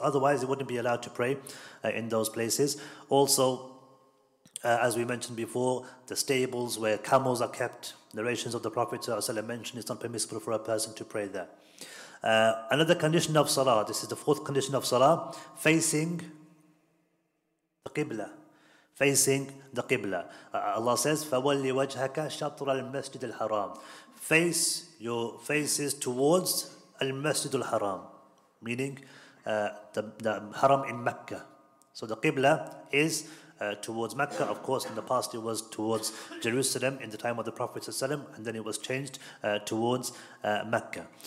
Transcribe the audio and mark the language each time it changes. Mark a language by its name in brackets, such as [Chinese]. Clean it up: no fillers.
[English] Otherwise, they wouldn't be allowed to pray in those places. Also, as we mentioned before, the stables where camels are kept, narrations of the Prophet ﷺ mentioned, it's not permissible for a person to pray there. Another condition of salah, this is the fourth condition of salah, facing the qibla. Facing the qibla. Allah says, [Arabic] فَوَلِّ وَجْهَكَ شَطْرَ الْمَسْجِدِ الْحَرَامِ. [English] Face your faces towards al-masjid al-haram, meaning the haram in Mecca. So the qibla is towards Mecca. Of course, in the past it was towards Jerusalem in the time of the Prophet ﷺ, and then it was changed towards Mecca.